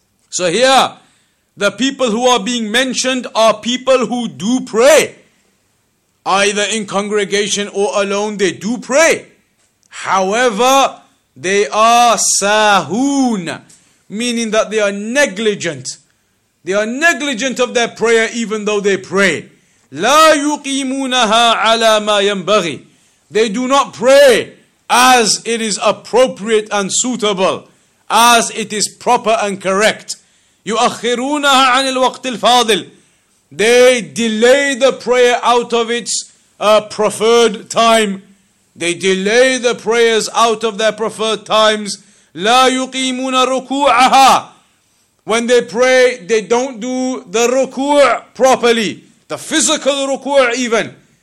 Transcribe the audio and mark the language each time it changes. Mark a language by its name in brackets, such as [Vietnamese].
[English] So here, the people who are being mentioned are people who do pray. Either in congregation or alone, they do pray. However, they are sahoon, meaning that they are negligent. They are negligent of their prayer even though they pray. [Arabic] لا يقيمونها على ما ينبغي. [English] They do not pray as it is appropriate and suitable, as it is proper and correct. [Arabic] يؤخرونها عن الوقت الفاضل. [English] They delay the prayer out of its preferred time. They delay the prayers out of their preferred times. [Arabic] لا يقيمون ركوعها. [English] When they pray, they don't do the ruku' properly, the physical ruku' even.